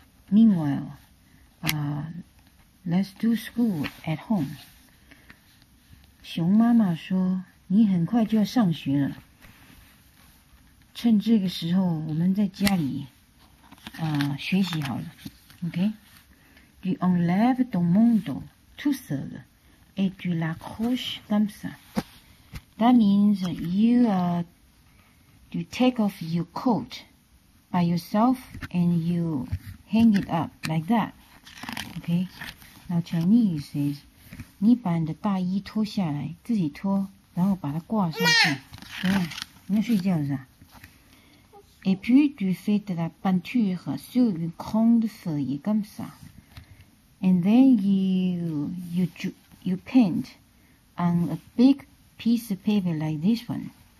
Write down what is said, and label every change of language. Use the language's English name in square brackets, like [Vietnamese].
[English] Meanwhile, let's do school at home. [Chinese] 熊妈妈说，你很快就要上学了。趁这个时候，我们在家里学习好了。 [English] OK? [French] Tu enlèves ton manteau tout seul et tu l'accroches comme ça. [English] That means you take off your coat by yourself and you hang it up like that. Okay? Now Chinese says, [Chinese] 你把你的大衣脱下来，自己脱，然后把它挂上去。你要睡觉是吧？ [French] Et puis tu fais de la peinture sur une grande feuille comme ça. [English] And then you paint on a big piece of paper like this one.